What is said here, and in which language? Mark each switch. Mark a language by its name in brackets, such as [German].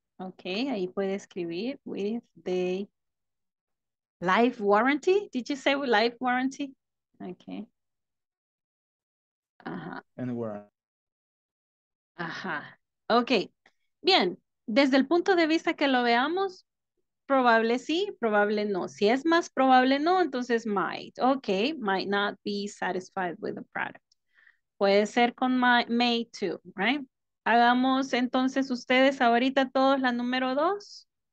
[English] Okay, [Spanish] ahí puede escribir. [English] With the life warranty? Did you say with life warranty? Okay. And warranty. [Spanish] Okay. Bien. Desde el punto de vista que lo veamos, probable sí, probable no. Si es más probable no, entonces might. [English] Okay, might not be satisfied with the product. [Spanish] Puede ser con may [English] too, right? [Spanish] Hagamos entonces ustedes ahorita todos la número dos.